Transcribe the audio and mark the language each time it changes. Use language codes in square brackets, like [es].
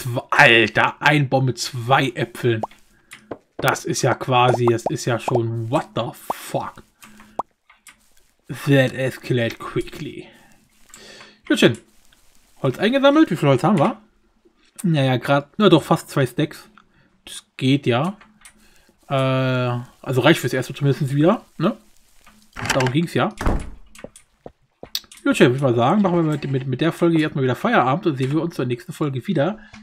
[de] Alter, ein Baum mit zwei Äpfeln. Das ist ja schon, [en] what the fuck. That escalated quickly. [de] Gut schön. Holz eingesammelt, wie viel Holz haben wir? Naja, gerade, na doch, fast zwei Stacks. Das geht ja. Also reicht fürs Erste zumindest wieder, ne? Darum ging's ja. Gut schön, würde ich mal sagen, machen wir mit der Folge jetzt mal wieder Feierabend und sehen wir uns zur nächsten Folge wieder.